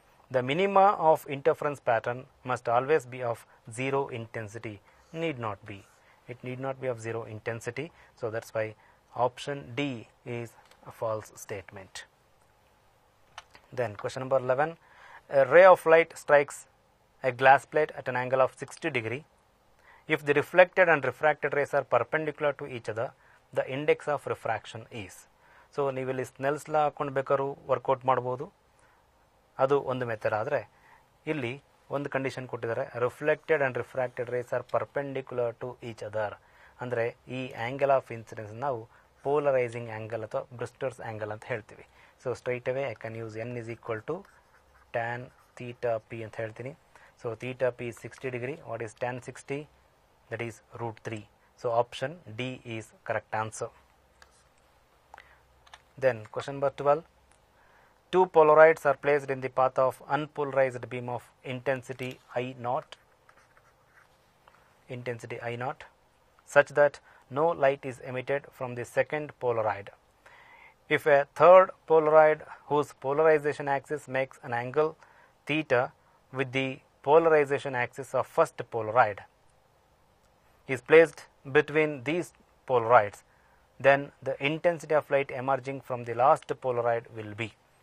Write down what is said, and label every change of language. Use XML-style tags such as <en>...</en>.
<en>The minima of interference pattern must always be of zero intensity, need not be, it need not be of zero intensity. So that's why option D is a false statement. Then question number 11, ray of light strikes a glass plate at an angle of 60 degree. If the reflected and refracted rays are perpendicular to each other, the index of refraction is.</en> <kn>So, ನೀವು ಇಲ್ಲಿ ಸ್ನೆಲ್ಸ್ ಲಾ ಹಾಕೊಂಡು ಬೇಕಾದ್ರೂ workout ಮಾಡ್ಬೋದು, ಅದು ಒಂದು method. ಆದರೆ ಇಲ್ಲಿ ಒಂದು ಕಂಡೀಷನ್ ಕೊಟ್ಟಿದ್ದಾರೆ,</kn> <en>Reflected and refracted rays are perpendicular to each other.</en> <kn>ಅಂದರೆ ಈ ಆ್ಯಂಗಲ್ ಆಫ್ ಇನ್ಸಿಡೆನ್ಸ್ ನಾವು ಪೋಲರೈಸಿಂಗ್ ಆ್ಯಂಗಲ್ ಅಥವಾ ಬ್ರಿಸ್ಟರ್ಸ್ ಆ್ಯಂಗಲ್ ಅಂತ ಹೇಳ್ತೀವಿ.</kn> <en>so straight away I can use n is equal to tan theta p</en> <kn>ಅಂತ ಹೇಳ್ತೀನಿ.</kn> <en>So theta p is 60 degree. What is tan 60? That is root 3. So option D is correct answer. Then question number 12, two polaroids are placed in the path of unpolarised beam of intensity I naught. Intensity I naught such that no light is emitted from the second polaroid. If a third polaroid whose polarization axis makes an angle theta with the polarization axis of first polaroid is placed between these polaroids, then the intensity of light emerging from the last polaroid will be.</en>